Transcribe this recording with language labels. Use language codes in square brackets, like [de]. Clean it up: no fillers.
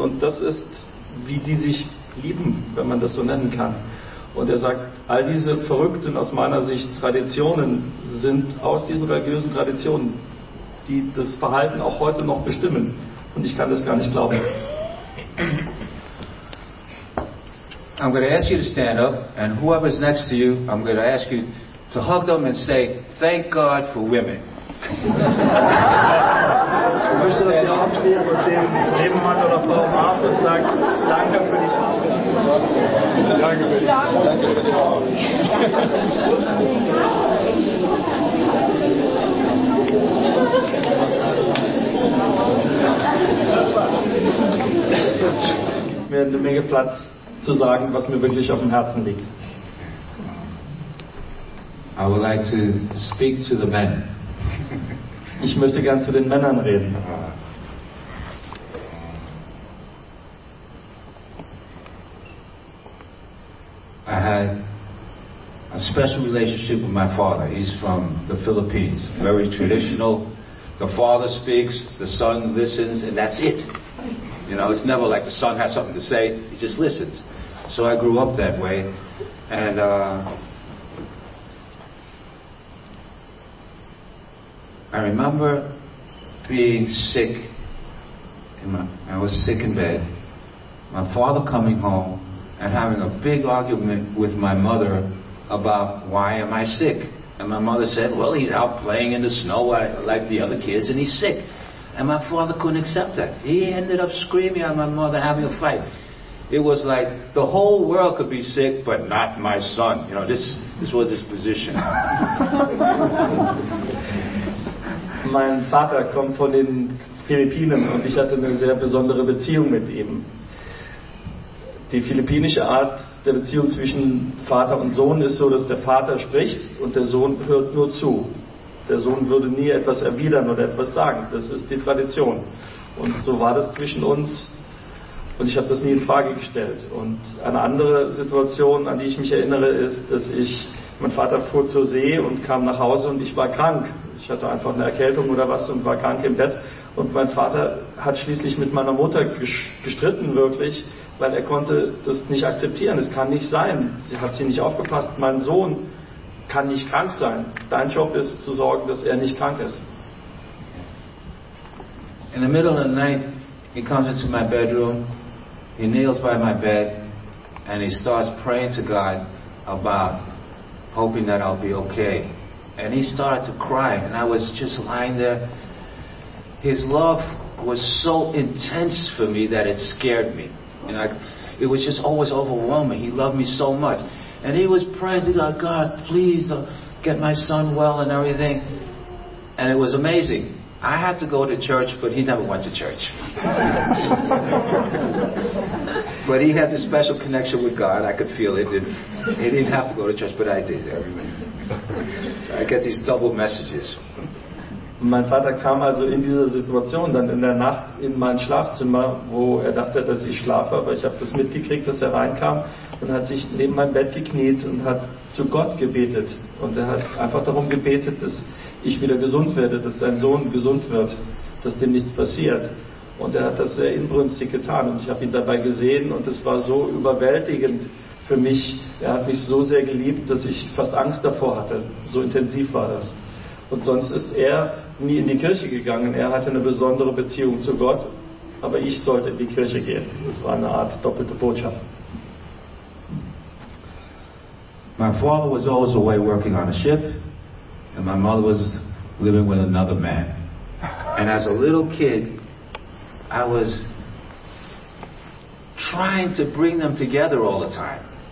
[de] Und das ist, wie die sich lieben, wenn man das so nennen kann. Und er sagt, all diese verrückten, aus meiner Sicht, Traditionen sind aus diesen religiösen Traditionen, die das Verhalten auch heute noch bestimmen. Und ich kann das gar nicht glauben. [en] I'm going to ask you to stand up, and whoever's next to you, I'm going to ask you to hug them and say, thank God for women. [de] Du möchtest, dass du aufstehst und dem Nebenmann oder Frau umarmt und sagst, danke für die Frau. Danke. Mir eine Menge Platz zu sagen, was mir wirklich auf dem Herzen liegt. [en] I would like to speak to the men. [de] Ich möchte gern zu den Männern reden. [en] I had a special relationship with my father. He's from the Philippines. Very traditional. The father speaks, the son listens, and that's it. You know, it's never like the son has something to say, he just listens. So I grew up that way. And I remember being sick. I was sick in bed. My father coming home and having a big argument with my mother about why am I sick. And my mother said, well, he's out playing in the snow like the other kids and he's sick. And my father couldn't accept that. He ended up screaming at my mother, having a fight. It was like the whole world could be sick, but not my son. You know, this was his position. [de] Mein Vater kommt von den Philippinen und ich hatte eine sehr besondere Beziehung mit ihm. Die philippinische Art der Beziehung zwischen Vater und Sohn ist so, dass der Vater spricht und der Sohn hört nur zu. Der Sohn würde nie etwas erwidern oder etwas sagen. Das ist die Tradition. Und so war das zwischen uns. Und ich habe das nie in Frage gestellt. Und eine andere Situation, an die ich mich erinnere, ist, dass mein Vater fuhr zur See und kam nach Hause und ich war krank. Ich hatte einfach eine Erkältung oder was und war krank im Bett. Und mein Vater hat schließlich mit meiner Mutter gestritten, wirklich, weil er konnte das nicht akzeptieren. Es kann nicht sein. Sie hat sie nicht aufgepasst. Mein Sohn kann nicht krank sein. Dein Job ist zu sorgen, dass er nicht krank ist. [en] In the middle of the night, he comes into my bedroom, he kneels by my bed, and he starts praying to God about hoping that I'll be okay. And he started to cry, and I was just lying there. His love was so intense for me that it scared me. You know, it was just always overwhelming. He loved me so much. And he was praying to God, God, please get my son well and everything. And it was amazing. I had to go to church, but he never went to church. But he had this special connection with God. I could feel it. He didn't have to go to church, but I did. I get these double messages. [de] Mein Vater kam also in dieser Situation dann in der Nacht in mein Schlafzimmer, wo er dachte, dass ich schlafe, aber ich habe das mitgekriegt, dass er reinkam und hat sich neben mein Bett gekniet und hat zu Gott gebetet. Und er hat einfach darum gebetet, dass ich wieder gesund werde, dass sein Sohn gesund wird, dass dem nichts passiert. Und er hat das sehr inbrünstig getan und ich habe ihn dabei gesehen und es war so überwältigend für mich. Er hat mich so sehr geliebt, dass ich fast Angst davor hatte. So intensiv war das. Und sonst ist er nie in die Kirche gegangen. Er hatte eine besondere Beziehung zu Gott, aber ich sollte in die Kirche gehen. Das war eine Art doppelte Botschaft. [en] My father was always away working on a ship, and my mother was living with another man. And as a little kid, I was trying to bring them together all the time.